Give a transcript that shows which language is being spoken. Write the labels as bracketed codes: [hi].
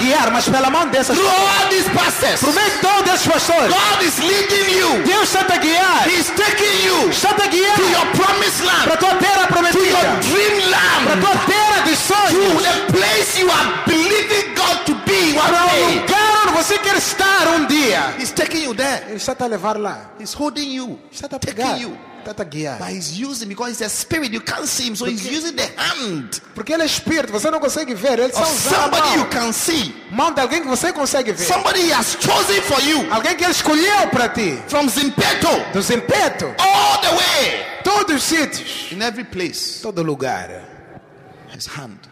[pt] Guiar, mas pela mão dessas. [en] Through all these pastors. [pt] Por meio de todos esses pastores. [en] God is leading you. [pt] Deus está a guiar. [en] He's taking you. [pt] Está a guiar. [en] To your promised land. [pt] Para tua terra prometida. [en] To your dream land. [pt] Para tua terra de sonhos. [en] To the place you are believing God to be one day. [pt] Para o lugar onde você quer estar um dia. [en] He's taking you there. [pt] Ele está a levar lá. [en] He's holding you. [pt] Está a pegar. [en] Taking you. [pt] Está a guiar. [en] But he's using, because he's a spirit, you can't see him, so he's using the hand. [pt] Porque ele é espírito, você não consegue ver. Ele [en] of somebody you can see. [pt] Mão de alguém que você consegue ver. [en] Somebody he has chosen for you. [pt] Alguém que ele escolheu para ti. [en] From Zimpeto. [pt] Do Zimpeto. [en] All the way. [pt] Todos os sítios. [en] In every place. [pt] Todo lugar. [en] His hand.